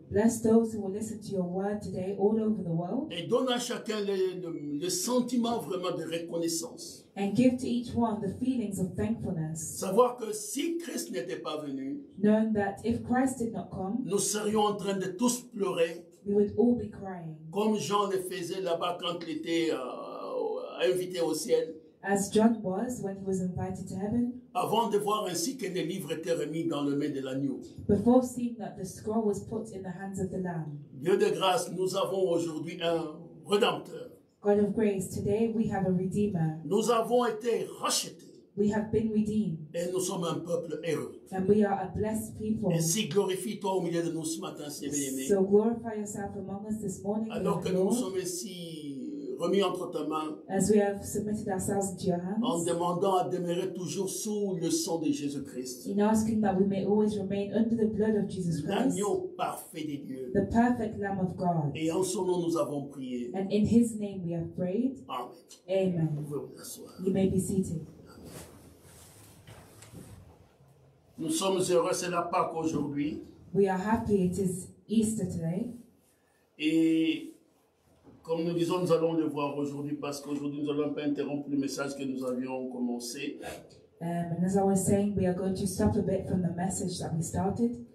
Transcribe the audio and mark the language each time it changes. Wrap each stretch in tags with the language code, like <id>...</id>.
<en>Bless those who will listen to your word today all over the world.</en> <fr>Et donne à chacun le sentiment vraiment de reconnaissance.</fr> <en>And give to each one the feelings of thankfulness.</en> <fr>Savoir que si Christ n'était pas venu,</fr> <en>knowing that if Christ did not come,</en> <fr>nous serions en train de tous pleurer.</fr> <en>We would all be crying.</en> <fr>Comme Jean le faisait là-bas quand il était invité au ciel.</fr> <en>As John was when he was invited to heaven.</en> <fr>Avant de voir ainsi que les livres étaient remis dans les mains de l'agneau.</fr> <en>Before seeing that the scroll was put in the hands of the lamb.</en> <fr>Dieu de grâce, nous avons aujourd'hui un rédempteur.</fr> <en>God of grace, today we have a redeemer.</en> <fr>Nous avons été rachetés.</fr> <en>We have been redeemed.</en> <fr>Et nous sommes un peuple heureux.</fr> <en>And we are a blessed people.</en> <fr>Ainsi glorifie-toi au milieu de nous ce matin, Seigneur bien-aimé.</fr> <en>So glorify yourself among us this morning.</en> <fr>Alors que nous sommes ici remis entre ta main,</fr> <en>as we have submitted ourselves to your hands,</en> <fr>en demandant à demeurer toujours sous le sang de Jésus-Christ,</fr> <en>in asking that we may always remain under the blood of Jesus Christ,</en> <fr>l'agneau parfait de Dieu,</fr> <en>the perfect Lamb of God.</en> <fr>Et en son nom nous avons prié.</fr> <en>And in his name we have prayed. Amen. Amen.</en> <fr>Vous pouvez vous asseoir.</fr> <en>You may be seated.</en> <fr>Nous sommes heureux, c'est la Pâque aujourd'hui.</fr> <en>We are happy, it is Easter today.</en> <fr>Et comme nous disons, nous allons le voir aujourd'hui parce qu'aujourd'hui nous allons pas interrompre le message que nous avions commencé.</fr> <en>And as I was saying, we are going to stop a bit from the message that we started.</en>